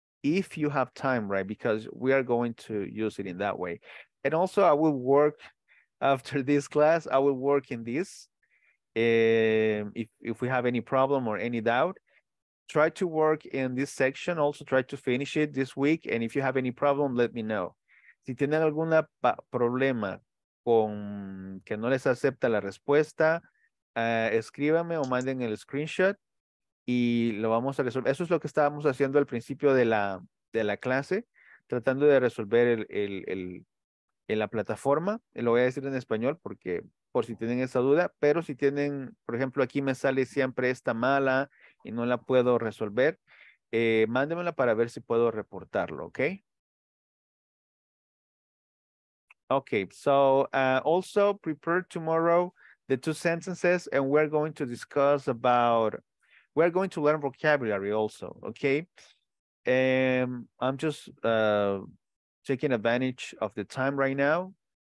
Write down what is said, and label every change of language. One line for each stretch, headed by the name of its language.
English: If you have time, right, because we are going to use it in that way. And also I will work after this class, I will work in this. If we have any problem or any doubt, try to work in this section. Also try to finish it this week. And if you have any problem, let me know.
Spanish: Si tienen algún problema con que no les acepta la respuesta, escríbame o manden el screenshot y lo vamos a resolver. Eso es lo que estábamos haciendo al principio de la clase, tratando de resolver la plataforma. Lo voy a decir en español porque por si tienen esa duda, pero si tienen, por ejemplo, aquí me sale siempre esta mala y no la puedo resolver, mándenmela para ver si puedo reportarlo, ¿ok?
English: Okay, so also prepare tomorrow the two sentences, and we're going to discuss about, we're going to learn vocabulary also, okay? I'm just taking advantage of the time right now.